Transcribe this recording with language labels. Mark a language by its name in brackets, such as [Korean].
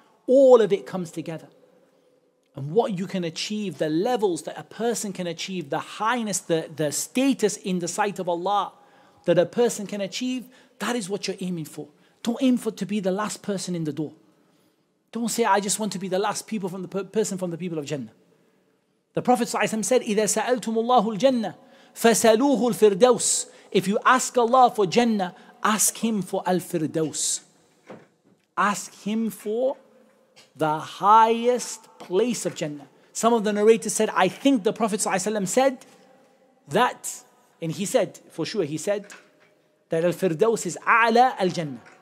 [English] All of it comes together. And what you can achieve, the levels that a person can achieve, the highness, the status in the sight of Allah that a person can achieve, that is what you're aiming for. Don't aim for to be the last person in the door. Don't say, I just want to be the last people from the person from the people of Jannah. The Prophet ﷺ said, [Arabic] إِذَا سَأَلْتُمُ اللَّهُ الْجَنَّةِ فَسَأَلُوهُ الْفِرْدَوْسِ. [English] If you ask Allah for Jannah, ask Him for Al-Firdaus. Ask Him for the highest place of Jannah. Some of the narrators said, I think the Prophet ﷺ said that, and he said, for sure he said, that Al-Firdaus is [Arabic] أَعْلَى الْجَنَّةِ.